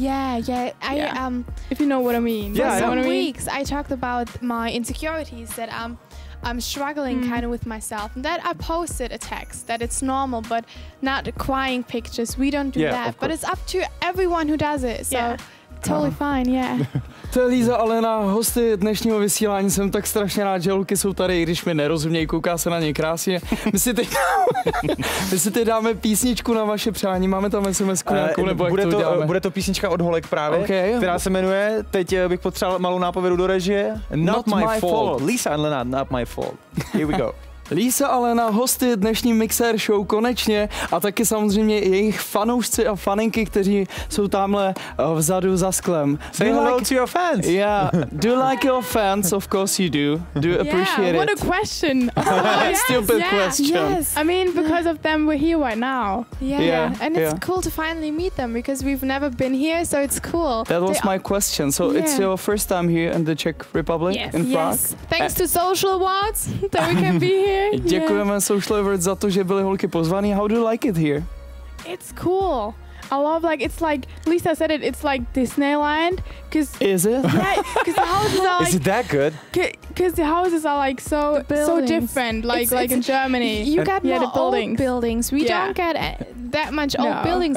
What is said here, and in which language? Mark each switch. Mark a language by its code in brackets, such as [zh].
[en] If you know what I mean. For some weeks, I talked about my insecurities that I'm struggling kind of with myself. And that I posted a text that it's normal, but not crying pictures. We don't do that. But it's up to everyone who does it. So. Yeah. Totally fine, yeah. [cs] To je Líza a Lena, hosty dnešního vysílání. Jsem tak strašně rád, že holky jsou tady, i když mi nerozumějí, kouká se na ně krásně. My si teď dáme písničku na vaše přání, máme tam SMS-ku nějakou, nebo jak to uděláme? Bude to písnička od holek právě, která se jmenuje, teď bych potřeboval malou nápovědu do režie. [en] Not my fault. Líza a Lena, not my fault. Here we go. [cs] Líza a Lena, hosty dnešní Mixer Show konečně a taky samozřejmě jejich fanoušci a faninky, kteří jsou tamhle vzadu za sklem. [en] Say hello to your fans. Yeah, do like your fans, of course you do. Do appreciate it. Yeah, what a question. Stupid question. Yes. I mean, because of them, we're here right now. And it's cool to finally meet them because we've never been here, so it's cool. That was my question. So it's your first time here in the Czech Republic, in Prague? Yes, thanks to Social Awards that we can be here. [cs] Děkujeme Social Awards za to, že byly holky pozvaný. [en] How do you like it here? It's cool. I love, like, it's like, Lisa said it, it's like Disneyland. Is it? Yeah, because the houses are like... Is it that good? Because the houses are like so different, like in Germany. You got more old buildings. We don't get that much old buildings